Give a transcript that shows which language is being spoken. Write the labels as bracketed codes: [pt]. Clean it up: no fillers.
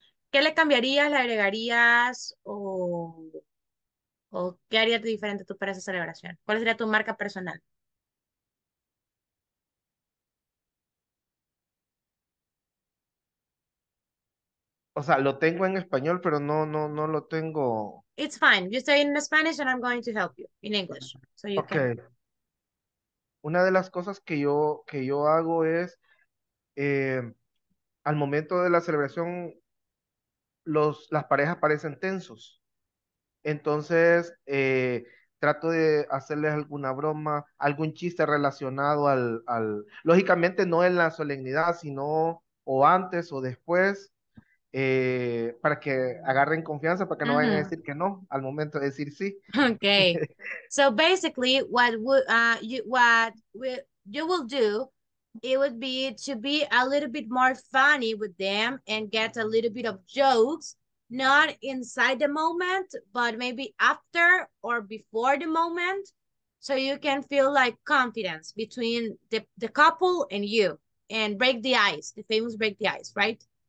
[es] ¿qué le cambiarías, le agregarías o qué harías diferente tú para esa celebración? ¿Cuál sería tu marca personal? O sea, lo tengo en español, pero no lo tengo. [en] It's fine. You say in Spanish and I'm going to help you in English. So you okay. Can. [es] Una de las cosas que yo hago es al momento de la celebración, las parejas parecen tensos. Entonces, trato de hacerles alguna broma, algún chiste relacionado al lógicamente no en la solemnidad, sino o antes o después, para que agarren confianza, para que no vayan a decir que no, al momento de decir sí. [en] Okay. So basically, what you will do, it would be to be a little bit more funny with them and get a little bit of jokes, not inside the moment, but maybe after or before the moment, so you can feel like confidence between the couple and you and break the ice, the famous break the ice, right?